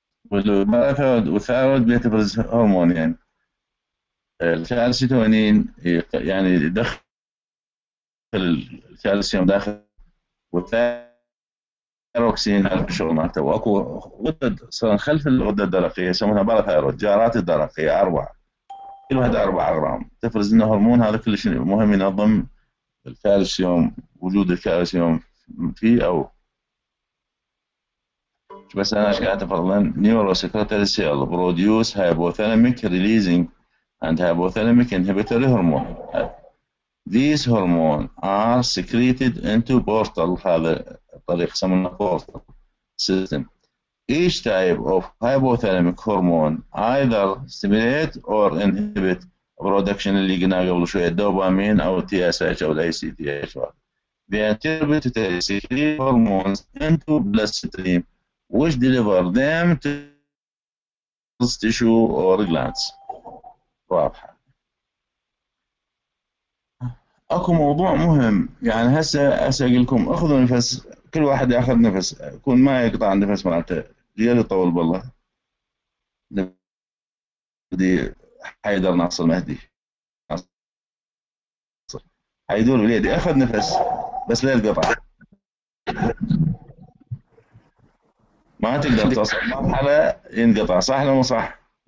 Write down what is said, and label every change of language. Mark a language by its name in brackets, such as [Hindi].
[Arabic] والباثرويد والثايرويد بيتفرز هرمون يعني الكالسيتونين يعني يدخل الكالسيوم داخل والثايروكسين على الشغل مالته، واكو غدد خلف الغده الدرقيه يسمونها باراثايرويد جارات الدرقيه اربعه كل واحده 4 غرام تفرز لنا هرمون، هذا كلش مهم ينظم الكالسيوم وجود الكالسيوم فيه او شو. [English] بس انا ايش قاعد افرض لهم neurosecretory cell produce hypothalamic releasing and hypothalamic inhibitory hormone. These hormones are secreted into portal, هذا الطريق يسمونه portal system. Each type of hypothalamic hormone either stimulate or inhibit production اللي قلنا قبل شوية الدوبامين أو TSH أو ACTH. The inhibitory secrete hormones into bloodstream which deliver them to tissue or glands. [Arabic] واضحة. اكو موضوع مهم يعني هسه اقول لكم اخذوا نفس كل واحد ياخذ نفس يكون ما يقطع النفس مالته ليلي طول بالله بدي حيدر ناصر مهدي حيدور بليدي اخذ نفس بس ليل قطع ما تقدر توصل مرحله ينقطع صح لو مو صح؟